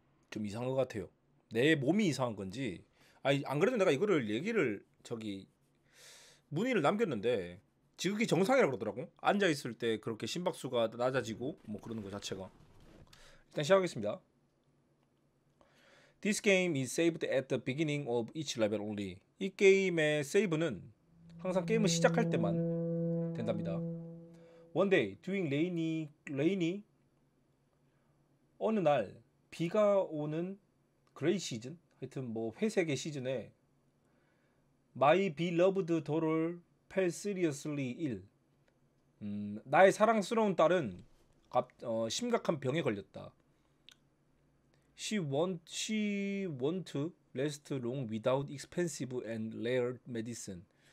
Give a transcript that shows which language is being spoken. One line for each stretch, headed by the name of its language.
Korean: 좀 이상한 것 같아요. 내 몸이 이상한 건지. 아니, 안 그래도 내가 이거를 얘기를 저기 문의를 남겼는데 지극히 정상이라고 그러더라고. 앉아 있을 때 그렇게 심박수가 낮아지고 뭐 그러는 거 자체가. 일단 시작하겠습니다.
English: This game is saved at the beginning of each level only.
Korean: 이 게임의 세이브는 항상 게임을 시작할 때만 된답니다.
English: One day, during rainy,
Korean: 어느 날 비가 오는 그레이 시즌, 하여튼 뭐 회색의 시즌에
English: My beloved daughter fell seriously ill.
Korean: 나의 사랑스러운 딸은 심각한 병에 걸렸다.
English: She want to rest long without expensive and rare medicine.